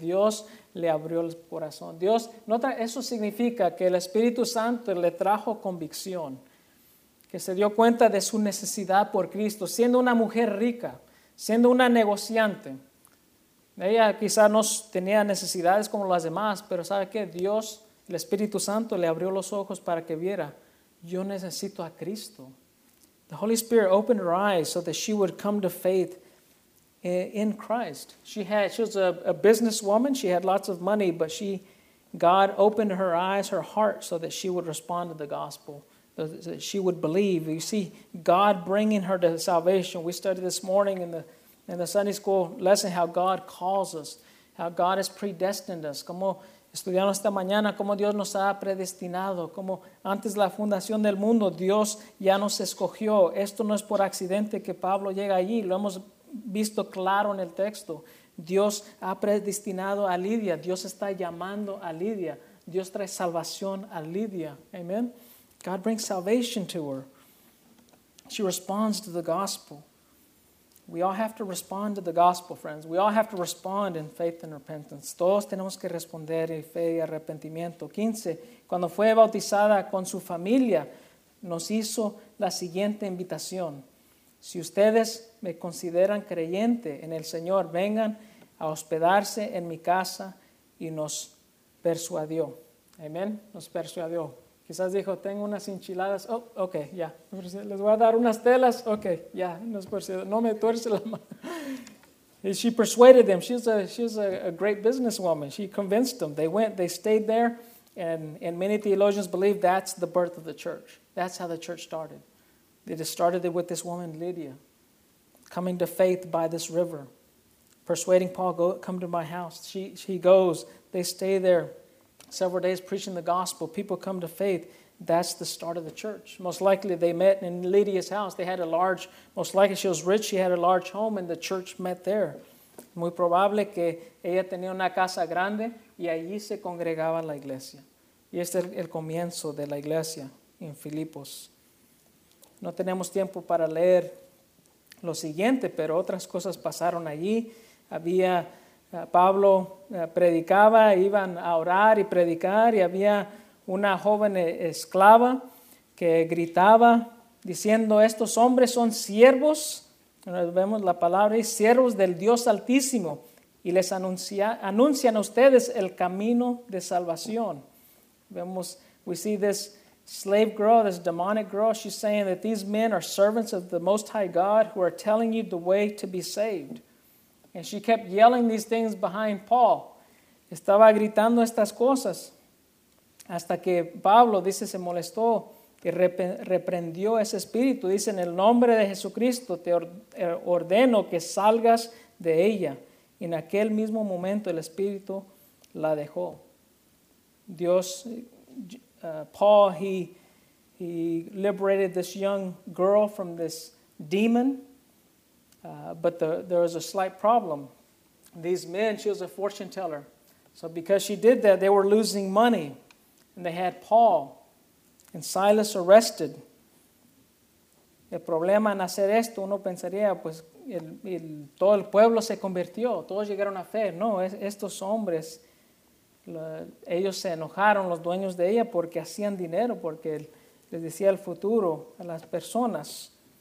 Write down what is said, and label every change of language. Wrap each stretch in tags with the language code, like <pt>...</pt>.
<es>Dios le abrió el corazón. Dios, nota, eso significa que el Espíritu Santo le trajo convicción, que se dio cuenta de su necesidad por Cristo, siendo una mujer rica, siendo una negociante. Ella quizás no tenía necesidades como las demás, pero ¿sabe qué? Dios, el Espíritu Santo le abrió los ojos para que viera, yo necesito a Cristo.</es> <en>The Holy Spirit opened her eyes so that she would come to faith in Christ. She was a businesswoman, she had lots of money, but God opened her eyes, her heart, so that she would respond to the gospel, so that she would believe. You see, God bringing her to salvation. We studied this morning in the Sunday school lesson how God calls us, how God has predestined us.</en> <es>Como estudiamos esta mañana cómo Dios nos ha predestinado, cómo antes de la fundación del mundo Dios ya nos escogió. Esto no es por accidente que Pablo llega allí, lo hemos visto claro en el texto. Dios ha predestinado a Lidia, Dios está llamando a Lidia, Dios trae salvación a Lidia. Amen.</es> <en>God brings salvation to her. She responds to the gospel. We all have to respond to the gospel, friends. We all have to respond in faith and repentance.</en> <es>Todos tenemos que responder en fe y arrepentimiento. 15, cuando fue bautizada con su familia, nos hizo la siguiente invitación. Si ustedes me consideran creyente en el Señor, vengan a hospedarse en mi casa. Y nos persuadió. Amén. Nos persuadió. Quizás dijo, tengo unas enchiladas. Oh, ok, ya. Yeah. Les voy a dar unas telas. Ok, ya. Yeah. No es por si no me tuerce la mano.</es> <en>She persuaded them. She's a great businesswoman. She convinced them. They went, they stayed there. And many theologians believe that's the birth of the church. That's how the church started. It started with this woman, Lydia, coming to faith by this river, persuading Paul, go, come to my house. She goes. They stay there. Several days preaching the gospel, people come to faith. That's the start of the church. Most likely they met in Lydia's house. They had a large, most likely she was rich, she had a large home, and the church met there.</en> <es>Muy probable que ella tenía una casa grande y allí se congregaba la iglesia. Y este es el comienzo de la iglesia en Filipos. No tenemos tiempo para leer lo siguiente, pero otras cosas pasaron allí. Había Pablo predicaba, iban a orar y predicar, y había una joven esclava que gritaba diciendo: estos hombres son siervos, vemos la palabra, y siervos del Dios Altísimo, y les anuncian a ustedes el camino de salvación. Vemos,</es> <en>we see this slave girl, this demonic girl, she's saying that these men are servants of the Most High God who are telling you the way to be saved. And she kept yelling these things behind Paul.</en> <es>Estaba gritando estas cosas hasta que Pablo, dice, se molestó y reprendió ese espíritu. Dice: en el nombre de Jesucristo te ordeno que salgas de ella. Y en aquel mismo momento el espíritu la dejó.</es> <en>Dios, Paul, he liberated this young girl from this demon. But there was a slight problem. These men, she was a fortune teller. So because she did that, they were losing money. And they had Paul and Silas arrested.</en> <es>El problema en hacer esto, uno pensaría, pues todo el pueblo se convirtió, todos llegaron a fe. No, estos hombres, ellos se enojaron, los dueños de ella, porque hacían dinero, porque les decía el futuro a las personas.</es>